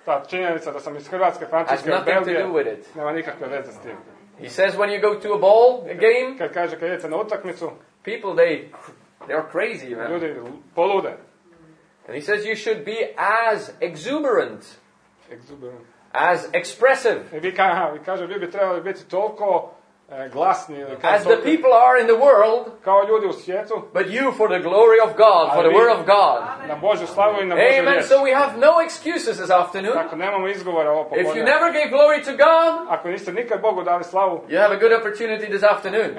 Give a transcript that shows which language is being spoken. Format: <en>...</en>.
<hr>ta činjenica da sam iz Hrvatske, Francuske,</hr> <en>has nothing</en> <hr>Belgije,</hr> <en>to do with it.</en> <hr>Nema nikakve veze s tim.</hr> <en>He says when you go to a ball, a game,</en> <hr>kad kaže kad idete na utakmicu,</hr> <en>people they are crazy, man.</en> <hr>Ljudi polude.</hr> <en>And he says you should be as exuberant. Exuberant. As expressive.</en> <hr>Vi kaže vi bi trebali biti toliko glasni.</hr> <en>As the people are in the world.</en> <hr>Kao ljudi u svijetu.</hr> <en>But you for the glory of God, for the word of God.</en> <hr>Na Božju slavu i na Božju riječ. Amen.</hr> <en>So we have no excuses this afternoon.</en> <hr>Tako nemamo izgovora ovo popodne.</hr> <en>If you never gave glory to God.</en> <hr>Ako niste nikad Bogu dali slavu.</hr> <en>You have a good opportunity this afternoon.</en>